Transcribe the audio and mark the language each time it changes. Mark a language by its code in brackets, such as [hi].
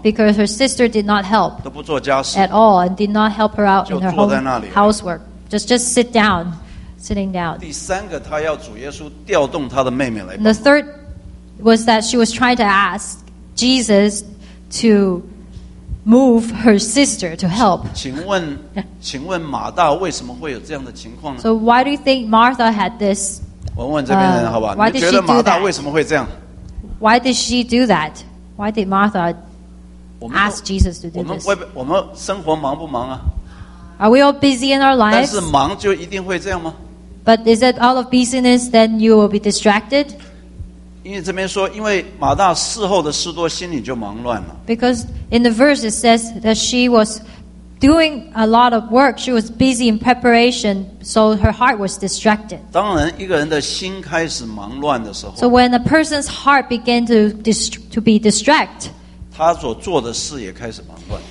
[en] Because her sister did not help. [zh] 都不做家事。 [en] At all, and did not help her out in her housework. Just sit down. Sitting down. [zh] 第三个，他要主耶稣调动他的妹妹来。 [en] The third was that she was trying to ask Jesus to move her sister to help. [zh] 请问马大为什么会有这样的情况呢 [en] ？So why do you think Martha had this? [zh] 我问这边人好吧？你觉得马大为什么会这样 [en] ？Why did she do that? Why did Martha ask Jesus to do this? [zh] 我们生活忙不忙啊？ [en] Are we all busy in our lives? [zh] 但是忙就一定会这样吗 [en] ？But is it all of busyness? Then you will be distracted. [zh] 因为这边说，因为马大事后的事多，心里就忙乱了。 [en] Because in the verse it says that she was doing a lot of work, she was busy in preparation, so her heart was distracted. [zh] 当然，一个人的心开始忙乱的时候 [en] ，So when a person's heart began to be distracted, [zh] 他所做的事也开始忙乱。